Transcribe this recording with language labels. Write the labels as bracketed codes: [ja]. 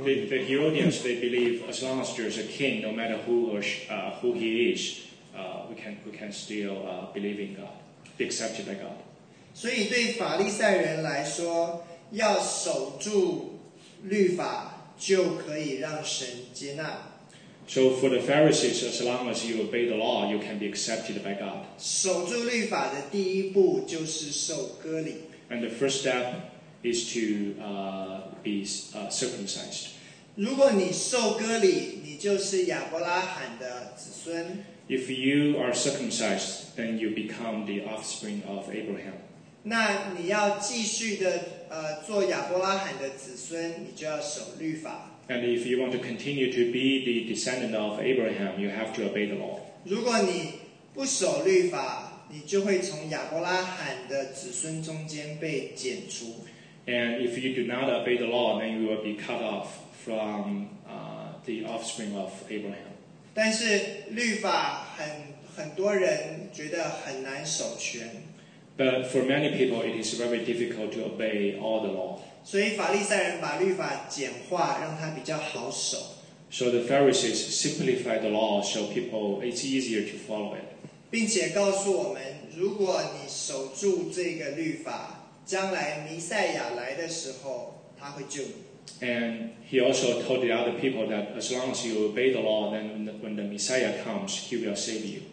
[en] The Herodians, they believe as long as there's a king, no matter who he is, we can still believe in God, be accepted by God. [zh] 所以对法利赛人来说，要守住律法就可以让神接纳。 [en] So for the Pharisees, as long as you obey the law, you can be accepted by God. [zh] 守住律法的第一步就是受割礼。 [en] And the first step is to be circumcised. [zh] 如果你受割礼，你就是亚伯拉罕的子孙。 [en] If you are circumcised, then you become the offspring of Abraham. [zh] 那你要继续的做亚伯拉罕的子孙，你就要守律法。 [en] And if you want to continue to be the descendant of Abraham, you have to obey the law. [zh] 如果你不守律法，你就会从亚伯拉罕的子孙中间被剪除。 [en] And if you do not obey the law, then you will be cut off from the offspring of Abraham. [zh] 但是律法很多人觉得很难守全。 [en] But for many people, it is very difficult to obey all the law. [zh] 所以法利赛人把律法简化，让它比较好守。 [en] So the Pharisees simplified the law so people it's easier to follow it. [zh] 并且告诉我们，如果你守住这个律法，将来弥赛亚来的时候，他会救你。 [en] And he also told the other people that as long as you obey the law, then when the Messiah comes, he will save you.